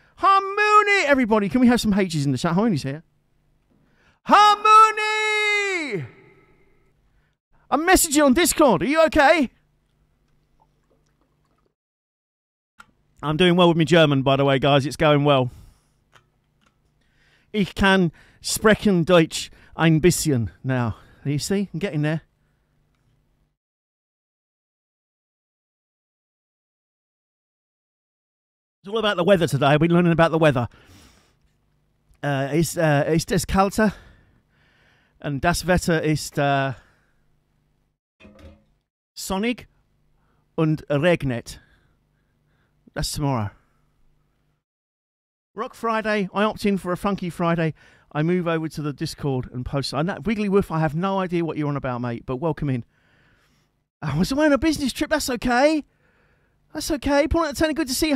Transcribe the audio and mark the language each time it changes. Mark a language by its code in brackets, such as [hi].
[en] Harmony, everybody. Can we have some H's in the chat? Harmony's here. Harmony! I messaged you on Discord. Are you okay? I'm doing well with my German, by the way, guys. It's going well. [de] Ich kann sprechen Deutsch ein bisschen now. [en] You see? I'm getting there. It's all about the weather today. I've been learning about the weather. [de] Ist es kalter? And das Wetter ist sonnig und regnet. [en] That's tomorrow. Rock Friday. I opt in for a funky Friday. I move over to the Discord and post. And that Wiggly Woof, I have no idea what you're on about, mate, but welcome in. I was away on a business trip. That's okay. That's okay. Paul and Tony, good to see you.